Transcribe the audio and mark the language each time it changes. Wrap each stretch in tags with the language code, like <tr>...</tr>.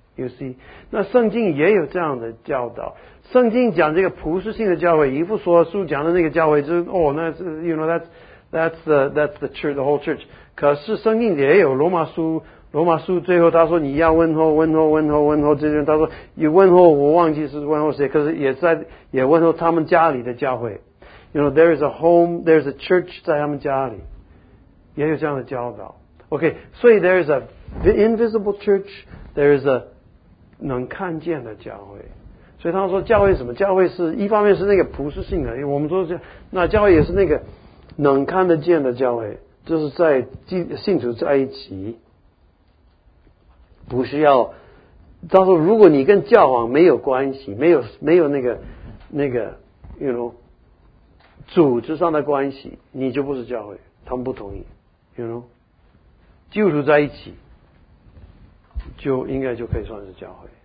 <zh>You see, 那圣经也有这样的教导。圣经讲这个普世性的教会，以弗所书讲的那个教会就是，那是 ，</zh> <en>you know that's the church, the whole church。</en> <zh>可是圣经也有罗马书最后他说你要问候这些人，他说你问候我忘记是问候谁，可是也问候他们家里的教会。</zh> <en>You know there is a home, there is a church</en> <zh>在他们家里，也有这样的教导。</zh> <en>Okay, 所以 there is a invisible church, there is a</en> <zh>能看见的教会。所以他说教会是什么，教会是一方面是那个普世性的，因为我们说那教会也是那个能看得见的教会，就是在信徒在一起，不需要到时候如果你跟教皇没有关系，没有那个 you know 组织上的关系，你就不是教会，他们不同意 you know 基督徒在一起就应该就可以算是教会。</zh>